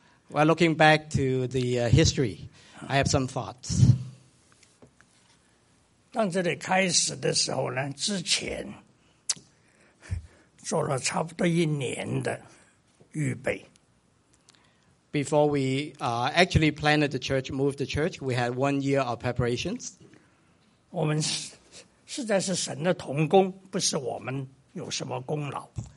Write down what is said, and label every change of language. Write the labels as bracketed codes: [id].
[en] Well, looking back to the history, I have some thoughts. [zh] 当这里开始的时候呢，之前做了差不多一年的预备。 [en] Before we actually planted the church, moved the church, we had 1 year of preparations. [zh] 我们实在是神的同工，不是我们有什么功劳。